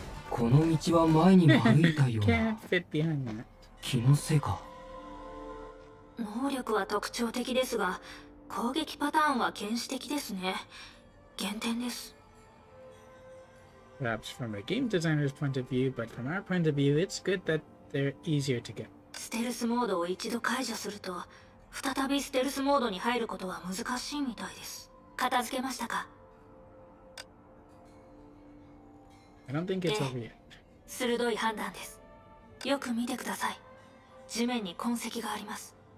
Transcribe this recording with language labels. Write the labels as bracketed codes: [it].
[ja] この道は前にも歩いたような。気のせいか。能力は特徴的ですが、攻撃パターンは原始的ですね。減点です。 [en] Perhaps from a game designer's point of view, but from our point of view, it's good that they're easier to get. [ja] ステルスモードを一度解除すると、再びステルスモードに入ることは難しいみたいです。片付けましたか? [en] I don't think it's over yet. [ja] 鋭い判断です。よく見てください。地面に痕跡があります。